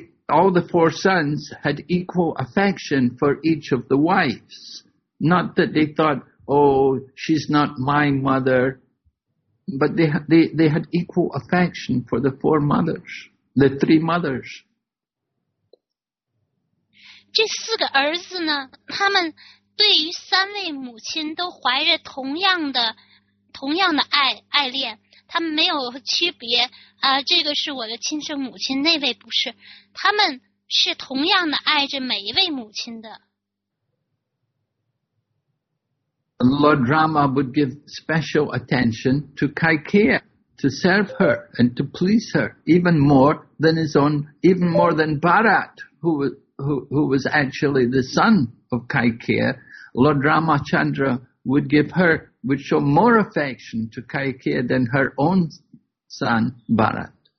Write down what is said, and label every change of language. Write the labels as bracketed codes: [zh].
[en] All the four sons had equal affection for each of the wives. Not that they thought, oh, she's not my mother, but they had equal affection for the four mothers, the three mothers. [zh] 这四个儿子呢，他们对于三位母亲都怀着同样的爱恋。他们没有区别啊，这个是我的亲生母亲，那位不是。他们是同样的爱着每一位母亲的。 [en] Lord Rama would give special attention to Kaikeya to serve her and to please her even more than his own, even more than Bharat, who was actually the son of Kaikeya. Lord Ramachandra would give her. Would show more affection to Kaikeya than her own son Bharat.